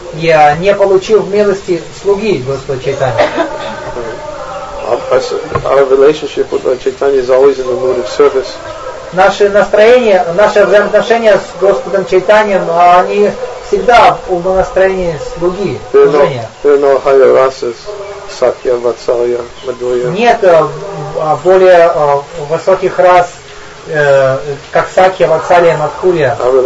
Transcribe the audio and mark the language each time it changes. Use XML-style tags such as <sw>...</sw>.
<ru>Я не получил милости слуги Господа Чайтаньи.</ru> <en>Our relationship with Lord Chaitanya is always in the mood of service.</en> <ru>Наше настроение, наши взаимоотношения с Господом Чайтаньем, они всегда в настроении слуги, служения. Нет более высоких рас, как Сакья, Ватсалья, Матхурья.</ru>